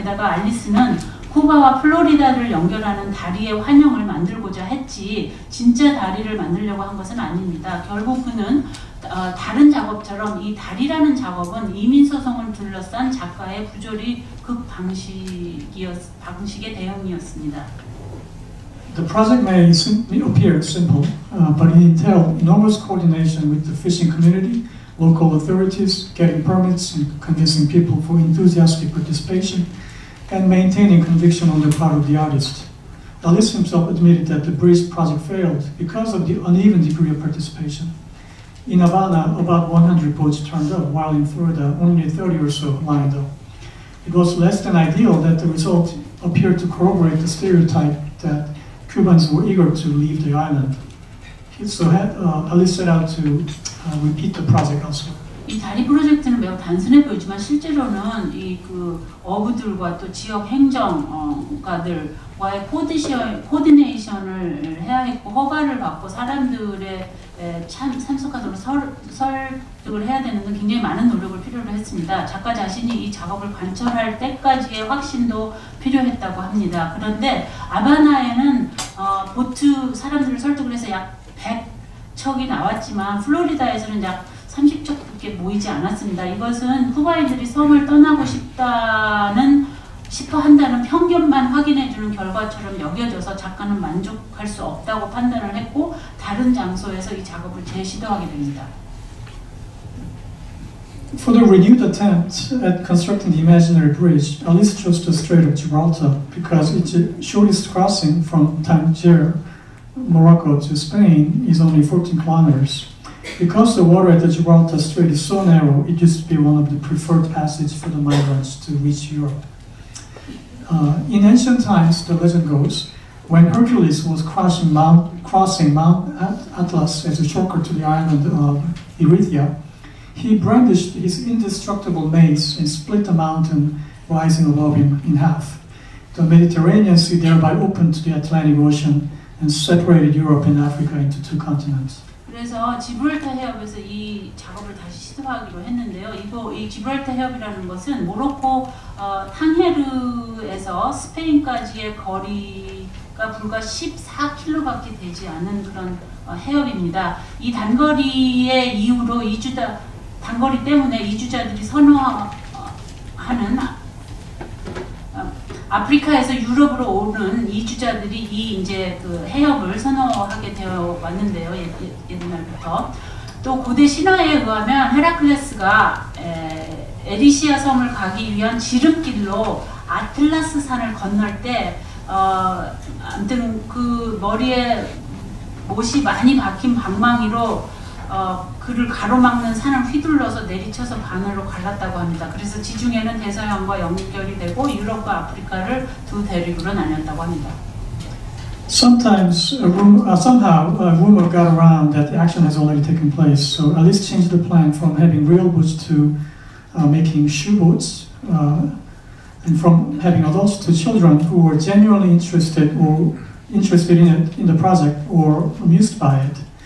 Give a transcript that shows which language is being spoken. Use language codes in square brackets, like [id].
[ko] 게다가 앨리스는 쿠바와 플로리다를 연결하는 다리의 환영을 만들고자 했지 진짜 다리를 만들려고 한 것은 아닙니다. 결국 그는 다른 작업처럼 이 다리라는 작업은 이민소송을 둘러싼 작가의 부조리 방식의 대응이었습니다. [en] The project may appear simple, but it entailed enormous coordination with the fishing community, local authorities, getting permits, and convincing people for enthusiastic participation. And maintaining conviction on the part of the artist. Alice himself admitted that the bridge project failed because of the uneven degree of participation. In Havana, about 100 boats turned up, while in Florida, only 30 or so lined up. It was less than ideal that the result appeared to corroborate the stereotype that Cubans were eager to leave the island. So Alice set out to repeat the project elsewhere. [ko] 이 다리 프로젝트는 매우 단순해 보이지만 실제로는 이 그 어부들과 또 지역 행정가들과의 코디네이션을 해야 했고 허가를 받고 사람들의 참석하도록 설득을 해야 되는 등 굉장히 많은 노력을 필요로 했습니다. 작가 자신이 이 작업을 관철할 때까지의 확신도 필요했다고 합니다. 그런데 아바나에는 보트 사람들을 설득을 해서 약 100척이 나왔지만 플로리다에서는 약 30척밖에 모이지 않았습니다. 이것은 쿠바인들이 섬을 떠나고 싶어 한다는 편견만 확인해주는 결과처럼 여겨져서 작가는 만족할 수 없다고 판단을 했고 다른 장소에서 이 작업을 재시도하게 됩니다. [en] For the renewed attempt at constructing the imaginary bridge, Alice chose the Strait of Gibraltar because its shortest crossing from Tangier, Morocco to Spain is only 14 kilometers. Because the water at the Gibraltar Strait is so narrow, it used to be one of the preferred passages for the migrants to reach Europe. In ancient times, the legend goes, when Hercules was crossing Mount Atlas as a shortcut to the island of Erythia, he brandished his indestructible mace and split the mountain rising above him in half. The Mediterranean Sea thereby opened to the Atlantic Ocean and separated Europe and Africa into two continents. [ko] 그래서 지브랄타 해협에서 이 작업을 다시 시도하기로 했는데요. 이 지브랄타 해협이라는 것은 모로코 탕헤르에서 스페인까지의 거리가 불과 14km밖에 되지 않은 그런 해협입니다. 이 단거리의 이유로 단거리 때문에 이주자들이 선호하는 아프리카에서 유럽으로 오는 이주자들이 이제 해협을 선호하게 되어 왔는데요. 옛날부터. 또 고대 신화에 의하면 헤라클레스가 에리시아 섬을 가기 위한 지름길로 아틀라스 산을 건널 때, 아무튼 그 머리에 못이 많이 박힌 방망이로 그를 가로막는 산을 휘둘러서 내리쳐서 바늘로 갈랐다고 합니다. 그래서 지중해는 대서양과 연결이 되고 유럽과 아프리카를 두 대륙으로 나뉘었다고 합니다. [en] Sometimes, somehow, a rumor got around that the action has already taken place, so at least change the plan from having real boats to making shoe boats, and from having adults to children who were genuinely interested or interested in it, in the project or amused by it.